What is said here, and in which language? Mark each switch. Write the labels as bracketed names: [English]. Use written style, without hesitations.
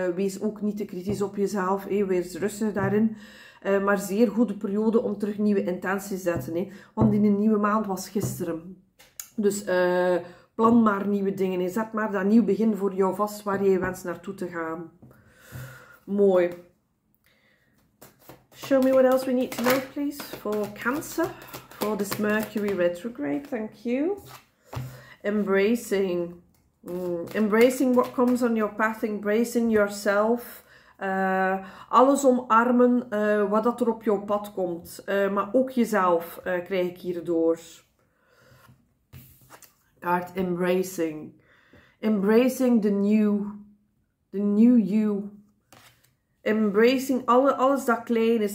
[Dutch] Wees ook niet te kritisch op jezelf, wees rustig daarin. Maar zeer goede periode om terug nieuwe intenties te zetten. Hè. Want in een nieuwe maand was gisteren. Dus plan maar nieuwe dingen. Hè. Zet maar dat nieuw begin voor jou vast waar je wenst naartoe te gaan. Mooi. [English] Show me what else we need to know, please. For Cancer. For this Mercury retrograde. Thank you. Embracing. Embracing what comes on your path. Embracing yourself. [Dutch] Alles omarmen wat dat er op jouw pad komt, maar ook jezelf krijg ik hierdoor. [English] Kaart embracing. Embracing the new. The new you. [Dutch] Embracing alles dat klein is.